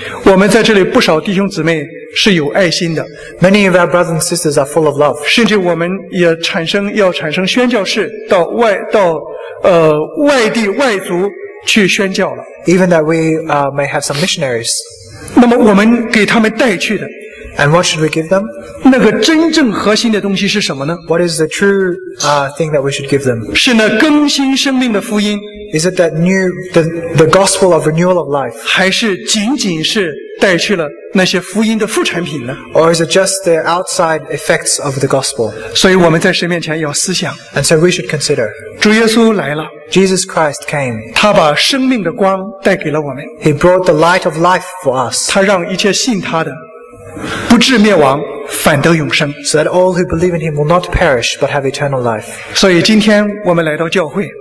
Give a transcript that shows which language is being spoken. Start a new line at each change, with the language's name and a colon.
Chinese: 我们在这里不少弟兄姊妹是有爱心的。
English: Many of our brothers and sisters are full of love.
Chinese: 甚至我们也要产生宣教士到外地外族去宣教了。
English: Even that we may have some missionaries.
Chinese: 那么我们给他们带去的。
English: And what should we give them?
Chinese: 那个真正核心的东西是什么呢？
English: What is the true thing that we should give them?
Chinese: 是那更新生命的福音。
English: Is it that new, the gospel of renewal of life?
Chinese: 还是仅仅是带去了那些福音的副产品呢？
English: Or is it just the outside effects of the gospel?
Chinese: 所以我们在神面前要思想。
English: And so we should consider.
Chinese: 主耶稣来了。
English: Jesus Christ came.
Chinese: 他把生命的光带给了我们。
English: He brought the light of life for us.
Chinese: 他让一切信他的不至灭亡，反得永生。
English: So that all who believe in him will not perish, but have eternal life.
Chinese: 所以今天我们来到教会。